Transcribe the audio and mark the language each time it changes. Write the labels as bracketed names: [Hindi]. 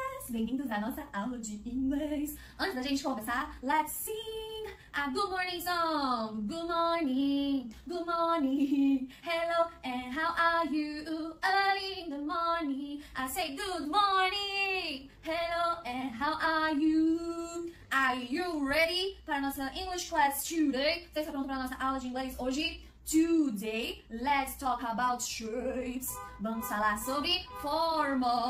[Portuguese] Bem-vindos à nossa aula de inglês. Antes da gente começar, [English] let's sing a good morning song. Good morning, good morning. Hello and how are you? Early in the morning, I say good morning. Hello and how are you? Are you ready [Portuguese] para a nossa [English] English class today? [Portuguese] Você está pronto para a nossa aula de inglês hoje? [English] Today, let's talk about shapes. [Portuguese] Vamos falar sobre forma.